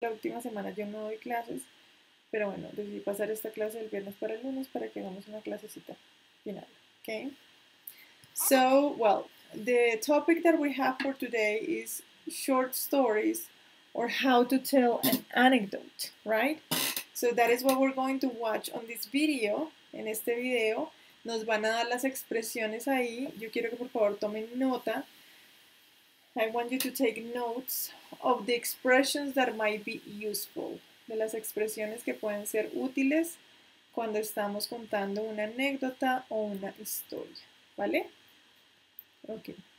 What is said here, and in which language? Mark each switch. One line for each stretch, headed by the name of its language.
Spanish: La última semana yo no doy clases, pero bueno, decidí pasar esta clase del viernes para el lunes para que hagamos una clasecita final, ¿okay?
English: So, well, the topic that we have for today is short stories or how to tell an anecdote, right? So that is what we're going to watch on this video.
Spanish: En este video nos van a dar las expresiones ahí. Yo quiero que por favor tomen nota.
English: I want you to take notes of the expressions that might be useful.
Spanish: De las expresiones que pueden ser útiles cuando estamos contando una anécdota o una historia. ¿Vale? Ok.